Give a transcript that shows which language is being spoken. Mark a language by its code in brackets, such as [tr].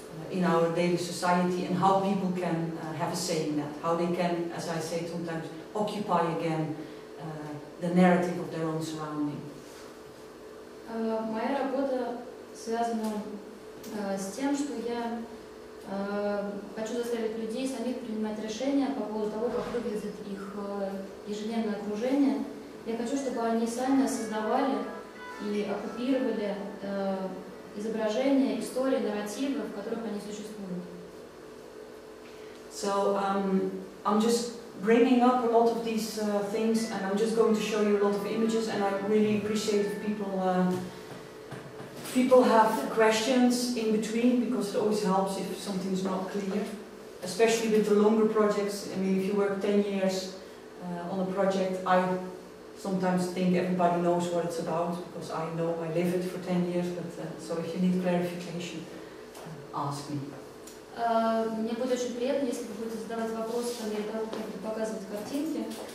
[en] in our daily society, and how people can have a say in that, how they can, as I say sometimes, occupy again the narrative of their own surrounding. My work is related [ru] хочу заставить людей самих принимать решения по поводу того, как выглядит их ежедневное окружение. Я хочу, чтобы они сами создавали и оккупировали изображения, истории, нарративы, в которых они существуют. [en] So I'm just bringing up a lot of these things, and I'm just going to show you a lot of images, and I really appreciate if people people have questions in between, because it always helps if something's not clear, especially with the longer projects. I mean, if you work 10 years on a project, I sometimes think everybody knows what it's about, because I know, I live it for 10 years, but so if you need clarification, ask me. [ru] Мне будет очень приятно, если вы будете задавать вопросы, когда я буду показывать картинки.